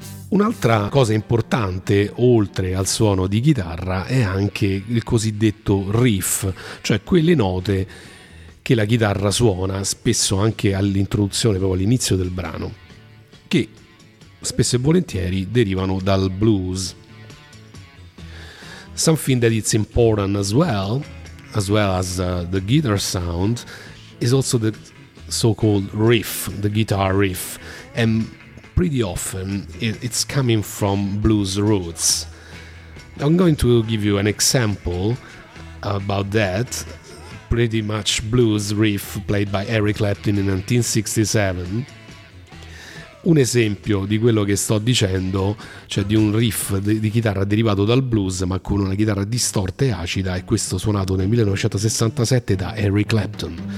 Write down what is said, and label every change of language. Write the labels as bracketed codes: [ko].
[it] Un'altra cosa importante, oltre al suono di chitarra, è anche il cosiddetto riff, cioè quelle note che la chitarra suona spesso anche all'introduzione, proprio all'inizio del brano, che spesso e volentieri derivano dal blues. [en] Something that is important as well as the guitar sound is also the so-called riff, the guitar riff, and pretty often it's coming from blues roots. I'm going to give you an example about that, pretty much blues riff played by Eric Clapton in 1967. [it] Un esempio di quello che sto dicendo, cioè di un riff di chitarra derivato dal blues ma con una chitarra distorta e acida, è questo suonato nel 1967 da Eric Clapton.